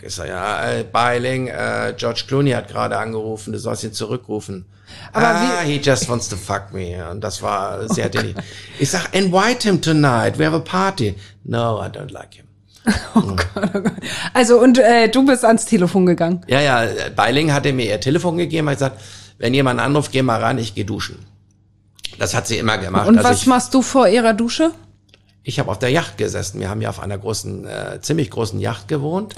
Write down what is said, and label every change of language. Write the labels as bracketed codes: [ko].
[de] Ich sag, ja, Bai Ling, George Clooney hat gerade angerufen, du sollst ihn zurückrufen. Aber [en] he just wants to fuck me. [de] Und das war sehr dilly. Ich sag, [en] invite him tonight, we have a party. No, I don't like him. [de] Oh Gott. Also und du bist ans Telefon gegangen. Ja, Bai Ling hatte mir ihr Telefon gegeben, hat gesagt, wenn jemand anruft, geh mal ran, ich geh duschen. Das hat sie immer gemacht. Und was machst du vor ihrer Dusche? Ich habe auf der Yacht gesessen. Wir haben ja auf einer großen, ziemlich großen Yacht gewohnt.